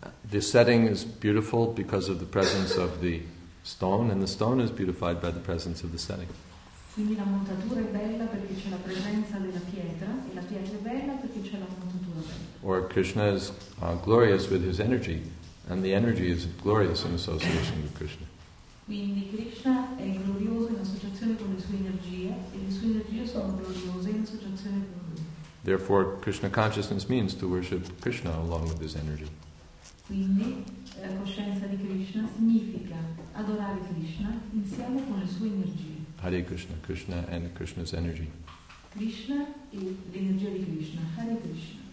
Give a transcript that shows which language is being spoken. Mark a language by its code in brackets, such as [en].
[en] The setting is beautiful because of the presence of the stone, and the stone is beautified by the presence of the setting. [it] Quindi la montatura è bella perché c'è la presenza della pietra e la pietra è bella perché c'è la montatura bella. [en] Or Krishna is glorious with his energy, and the energy is glorious in association with Krishna. [it] Quindi Krishna è glorioso in associazione con le sue energie e le sue energie sono gloriose in associazione con lui. [en] Therefore, Krishna consciousness means to worship Krishna along with his energy. [it] Quindi la coscienza di Krishna significa adorare Krishna insieme con le sue energie. [en] Hare Krishna, Krishna and Krishna's energy. Krishna and the energy of Krishna, Hare Krishna.